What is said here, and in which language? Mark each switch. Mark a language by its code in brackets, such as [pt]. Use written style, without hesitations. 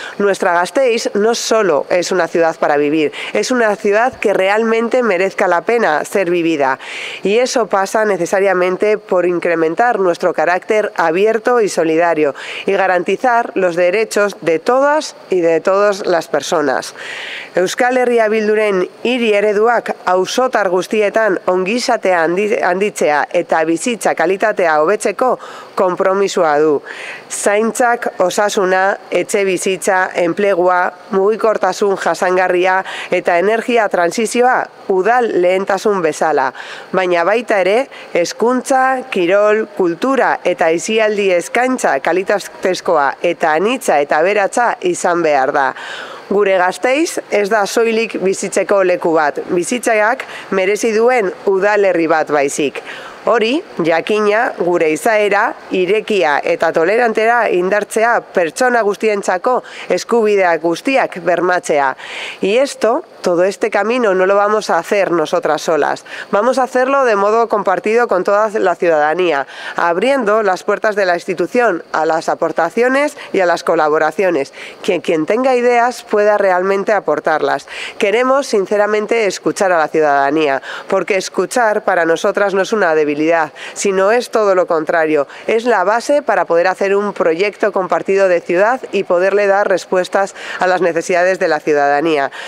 [es] Nuestra Gasteiz no solo es una ciudad para vivir, es una ciudad que realmente merezca la pena ser vivida. Y eso pasa necesariamente por incrementar nuestro carácter abierto y solidario y garantizar los derechos de todas y de todas las personas. [eu] Euskal Herria Bilduren hiri ereduak auzotar guztietan ongizatea handitzea eta bizitza kalitatea hobetzeko konpromisoa du. Zaintzak osasuna, etxe bizitza, enplegua, mugikortasun jasangarria eta energia transizioa udal lehentasun bezala. Baina baita ere, hezkuntza, kirol, kultura eta aisialdi eskaintza kalitatezkoa eta anitza eta beratza izan behar da. Gure Gasteiz ez da soilik bizitzeko leku bat, bizitzaak merezi duen udalerri bat baizik. Hori, jakina, gure izaera, irekia eta tolerantera indartzea pertsona guztientzako eskubideak guztiak bermatzea. [es] Y esto, todo este camino, no lo vamos a hacer nosotras solas. Vamos a hacerlo de modo compartido con toda la ciudadanía, abriendo las puertas de la institución a las aportaciones y a las colaboraciones. Quien tenga ideas pueda realmente aportarlas. Queremos, sinceramente, escuchar a la ciudadanía, porque escuchar para nosotras no es una debilidad, sino es todo lo contrario, es la base para poder hacer un proyecto compartido de ciudad y poderle dar respuestas a las necesidades de la ciudadanía.